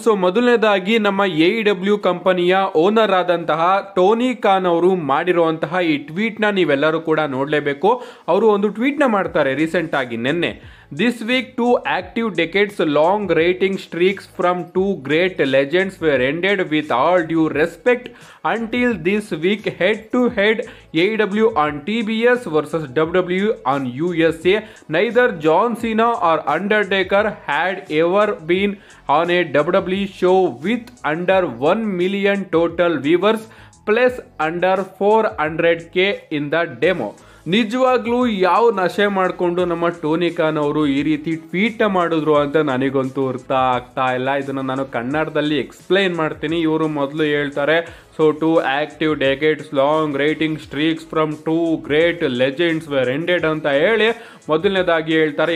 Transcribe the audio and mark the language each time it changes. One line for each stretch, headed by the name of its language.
Kannada: So ಮೊದಲನೇದಾಗಿ ನಮ್ಮ AEW ಕಂಪನಿಯ ಓನರ್ ಆದಂತಹ ಟೋನಿ ಖಾನ್ ಅವರು ಮಾಡಿರುವಂತಹ ಈ ಟ್ವೀಟ್ನ ನೀವೆಲ್ಲರೂ ಕೂಡ ನೋಡಲೇಬೇಕು. ಅವರು ಒಂದು ಟ್ವೀಟ್ನ ಮಾಡ್ತಾರೆ ರೀಸೆಂಟ್ ಆಗಿ ನಿನ್ನೆ.
English: This week, two active decades long rating streaks from two great legends were ended with all due respect until this week head-to-head AEW on TBS versus WWE on USA. Neither John Cena or Undertaker had ever been on a WWE show with under 1 million total viewers plus under 400K in the demo.
Kannada: ನಿಜವಾಗ್ಲೂ ಯಾವ ನಶೆ ಮಾಡಿಕೊಂಡು ನಮ್ಮ Tony Khan ಅವರು ಈ ರೀತಿ tweet ಮಾಡಿದ್ರು ಅಂತ ನನಗಂತೂ ಅರ್ಥ ಆಗ್ತಾ ಇಲ್ಲ. ಇದನ್ನು ನಾನು ಕನ್ನಡದಲ್ಲಿ ಎಕ್ಸ್ಪ್ಲೈನ್ ಮಾಡ್ತೀನಿ. ಇವರು ಮೊದಲು ಹೇಳ್ತಾರೆ,
English: so two active decades long rating streaks from two great legends were ended
Kannada: ಅಂತ ಹೇಳಿ ಮೊದಲನೇದಾಗಿ ಹೇಳ್ತಾರೆ.